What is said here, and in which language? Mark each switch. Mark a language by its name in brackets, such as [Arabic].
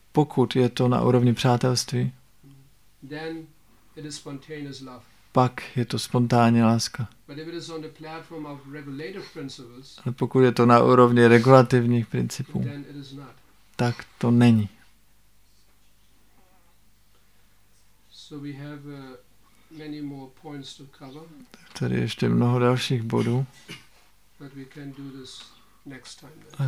[Czech] Pokud je to na úrovni přátelství, [English] then it is spontaneous love. [Czech] Pak je to spontánní láska. [English] But if it is on the platform of regulative principles, [Czech] ale pokud je to na úrovni regulativních principů, [English] then it is not. [Czech] Tak to není. [English] So we have many more points to cover. [Czech] Tady ještě mnoho dalších bodů. [English] But we can do this next time.